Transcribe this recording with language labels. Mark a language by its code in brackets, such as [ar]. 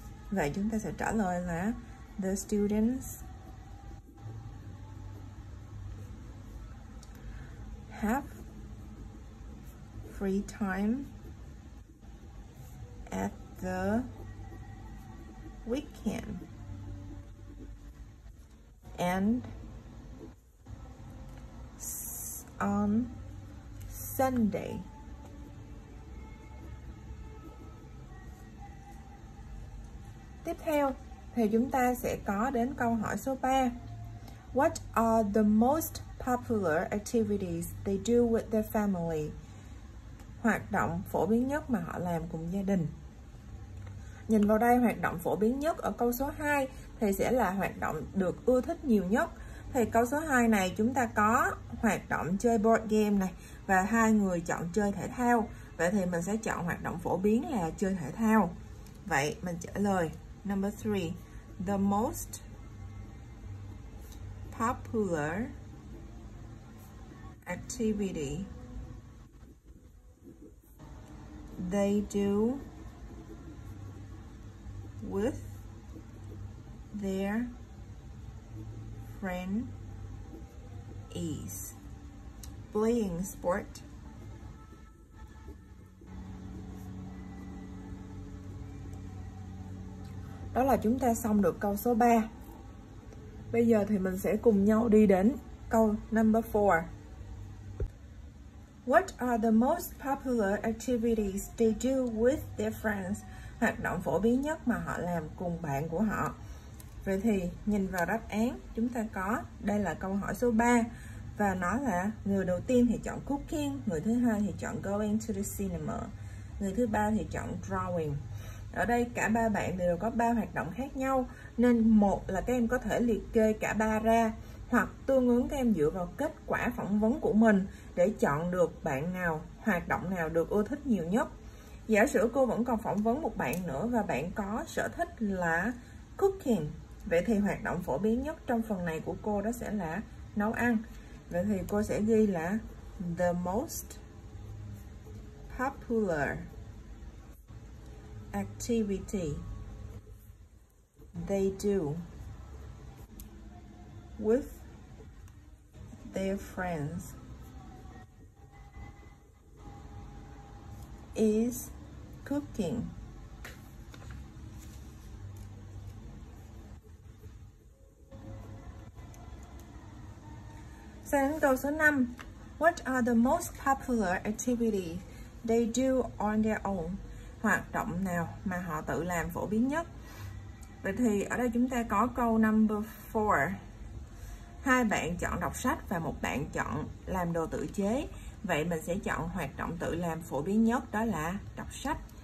[vi] Vậy chúng ta sẽ trả lời là [en] the students have free time at the weekend and on Sunday. [vi] Tiếp theo thì chúng ta sẽ có đến câu hỏi số 3. [en] What are the most popular activities they do with their family? [vi] Hoạt động phổ biến nhất mà họ làm cùng gia đình. Nhìn vào đây, hoạt động phổ biến nhất ở câu số 2 thì sẽ là hoạt động được ưa thích nhiều nhất. Thì câu số 2 này chúng ta có hoạt động chơi board game này và hai người chọn chơi thể thao. Vậy thì mình sẽ chọn hoạt động phổ biến là chơi thể thao. Vậy mình trả lời [en] number 3, the most popular activity they do with their friend is playing sport. [vi] Đó là chúng ta xong được câu số 3. Bây giờ thì mình sẽ cùng nhau đi đến câu number 4. [en] What are the most popular activities they do with their friends? [vi] Hoạt động phổ biến nhất mà họ làm cùng bạn của họ. Vậy thì nhìn vào đáp án, chúng ta có đây là câu hỏi số 3. Và nó là người đầu tiên thì chọn cooking, người thứ hai thì chọn [en] going to the cinema, [vi] người thứ ba thì chọn drawing. Ở đây cả ba bạn đều có 3 hoạt động khác nhau, nên một là các em có thể liệt kê cả 3 ra, hoặc tương ứng các em dựa vào kết quả phỏng vấn của mình để chọn được bạn nào, hoạt động nào được ưa thích nhiều nhất. Giả sử cô vẫn còn phỏng vấn một bạn nữa và bạn có sở thích là cooking, vậy thì hoạt động phổ biến nhất trong phần này của cô đó sẽ là nấu ăn. Vậy thì cô sẽ ghi là [en] the most popular activity they do with their friends is cooking. [vi] Sang đến câu số 5. [en] What are the most popular activities they do on their own? [vi] Hoạt động nào mà họ tự làm phổ biến nhất? Vậy thì ở đây chúng ta có câu number 4. Hai bạn chọn đọc sách và một bạn chọn làm đồ tự chế. Vậy mình sẽ chọn hoạt động tự làm phổ biến nhất, đó là đọc sách.